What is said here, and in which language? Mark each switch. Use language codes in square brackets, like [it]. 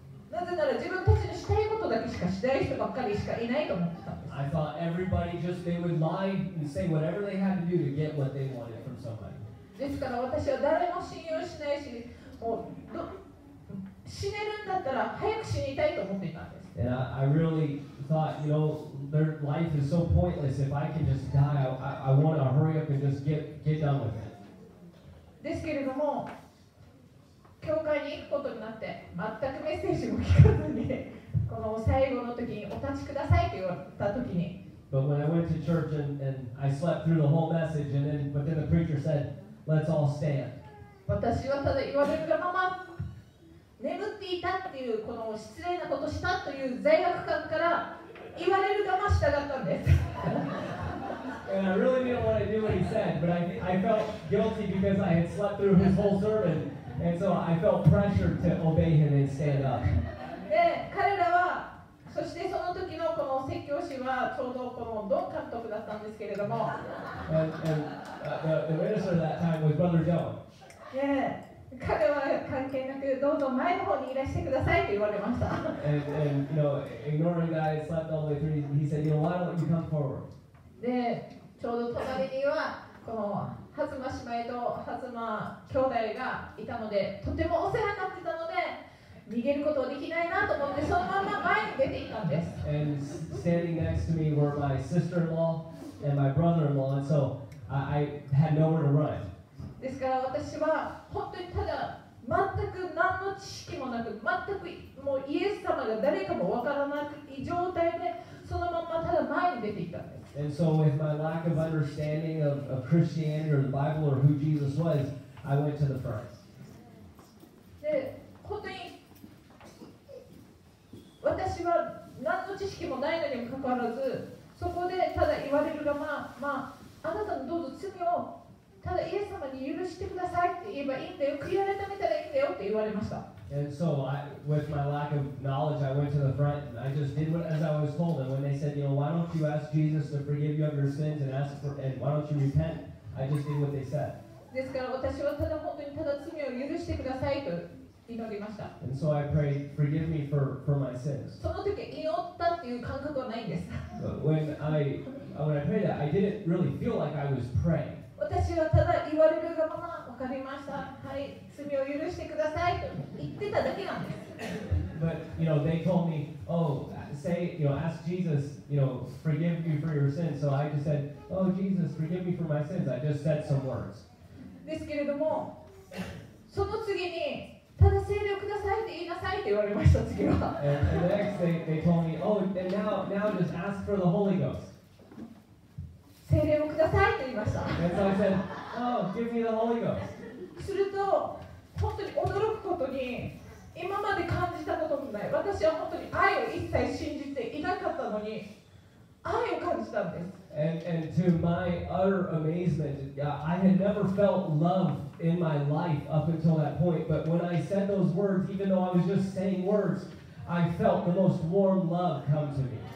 [ja] なぜなら自分たちのしたいことだけしかしない人ばっかりしかいないと思ってたんです。 [en] I thought everybody just they would lie and say whatever they had to do to get what they wanted from somebody. [ja] ですから私は誰も信用しないし、もう死ねるんだったら早く死にたいと思っていたんです。 [en] And I really thought, you know, their life is so pointless. If I can just die, I want to hurry up and just get done with it. [ja] ですけれども。教会に行くことになって全くメッセージも聞かずにこの最後の時にお立ちくださいと言った時に [en] But when I went to church and I slept through the whole message and then, but then the preacher said, let's all stand [ja] 私はただ言われるがまま眠っていたっていうこの失礼なことしたという罪悪感から言われるがま従ったんです [en] And I really didn't want to do what he said but I felt guilty because I had slept through his whole sermonAnd so I felt pressured to obey him and stand up. [ja] で、彼らは、そしてその時のこの説教師はちょうどこのドン監督だったんですけれども。 [en] And the minister that time was Brother Joe. [ja] Yeah, 彼は関係なくどうぞ前の方にいらしてくださいと言われました。 [en] And you know, ignoring that I slept all the way through, he said, you know, why don't you come forward? [ja] で、ちょうど隣にはこの。ハズマ姉妹とハズマ兄弟がいたので、とてもお世話になってたので、逃げることはできないなと思って、そのまま前に出て行ったんです。 [en] And standing next to me were my sister-in-law and my brother-in-law, and so I had nowhere to run. [ja] ですから私は本当にただ全く何の知識もなく、全くもうイエス様が誰かもわからない状態で、そのままただ前に出て行ったんです。 [en] And so with my lack of understanding of Christianity or the Bible or who Jesus was, I went to the front. [ja] で、本当に私は何の知識もないのにもかかわらず、そこでただ言われるがまあ、まあ、あなたのどうぞ罪をただイエス様に許してくださいって言えばいいんだよ、悔い改めたらいいんだよって言われました。 [en] And so I, with my lack of knowledge, I went to the front and I just did what as I was told. And when they said, you know, why don't you ask Jesus to forgive you of your sins and ask for, and why don't you repent? I just did what they said. [ja] ですから私はただ本当にただ罪を許してくださいと祈りました。 [en] And so I prayed, forgive me for my sins. [ja] その時祈ったっていう感覚はないんです。 [en] But when I prayed that, I didn't really feel like I was praying. [ja] 私はただ言われるがまま、わかりました。はい、罪を許してくださいと言ってただけなんです。 [en] But, you know, they told me, oh, say, you know, ask Jesus, you know, forgive you for your sins. So I just said, oh, Jesus, forgive me for my sins. I just said some words. [ja] ですけれども、その次に、ただ聖霊をくださいって言いなさいって言われました、次は。 [en] And the next day, they told me, oh, and now just ask for the Holy Ghost. [ja] 聖霊をくださいと言いました。 [en] And so I said, oh, give me the Holy Ghost. [ja] すると、本当に驚くことに、今まで感じたこともない、私は本当に愛を一切信じていなかったのに、愛を感じたんです。 [en] And to my utter amazement, I had never felt love in my life up until that point, but when I said those words, even though I was just saying words, I felt the most warm love come to me.